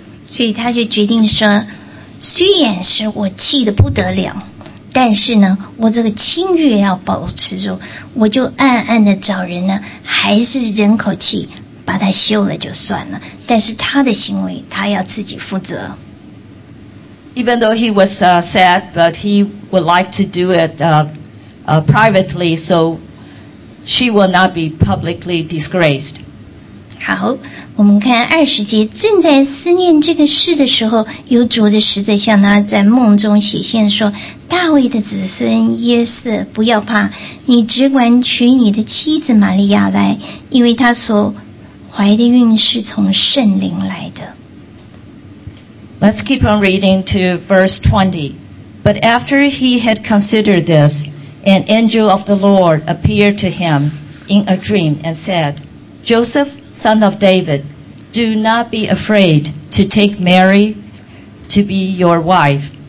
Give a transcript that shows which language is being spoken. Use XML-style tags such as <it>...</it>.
<zh>所以他就决定说，虽然是我气得不得了，但是呢，我这个清誉要保持住，我就暗暗的找人呢，还是忍口气。把他休了就算了，但是他的行为他要自己负责。</zh> <en>Even though he was sad, but he would like to do it privately, so she will not be publicly disgraced.</en> <zh>好，我们看二十节，正在思念这个事的时候，有主的使者向他在梦中显现说：“大卫的子孙约瑟，不要怕，你只管娶你的妻子玛利亚来，因为她所怀的孕是从圣灵来的。</zh> <en>Let's keep on reading to verse 20. But after he had considered this, an angel of the Lord appeared to him in a dream and said, Joseph, son of David, do not be afraid to take Mary to be your wife.</en>